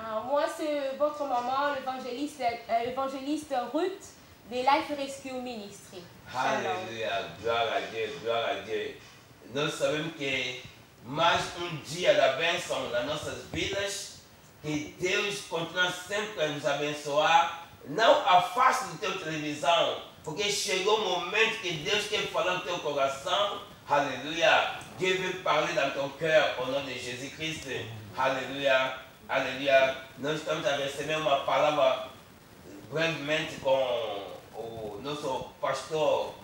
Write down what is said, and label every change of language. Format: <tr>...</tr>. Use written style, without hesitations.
<fr>Moi, c'est votre maman, l'évangéliste Ruth, de Life Rescue Ministry.</fr> <pt>Aleluia. Glória a Deus, glória a Deus. Nós sabemos que mais dia da bênção nas nossas vidas, que Deus continua sempre a nos abençoar. Não afaste do teu televisão, porque chegou o momento que Deus quer falar no teu coração.</pt> <fr>Alléluia. Dieu veut parler dans ton cœur au nom de Jésus-Christ. Alléluia. Alléluia. Nous sommes à recevoir ma parole brièvement avec notre pasteur.</fr>